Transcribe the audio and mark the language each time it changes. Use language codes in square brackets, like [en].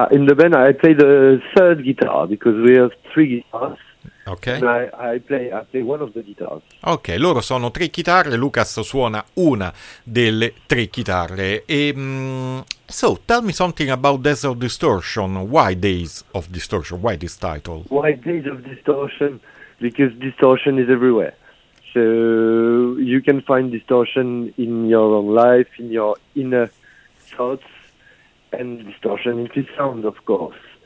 [en] In the band I play the third guitar, because we have 3 guitars. Okay. I play one of the guitars. [it] Ok, loro sono 3 chitarre, Lucas suona una delle 3 chitarre. [en] E, so, tell me something about Days of Distortion. Why Days of Distortion? Why this title? Why Days of Distortion? Because distortion is everywhere. So you can find distortion in your own life, in your inner thoughts, and distortion in the sound, of course.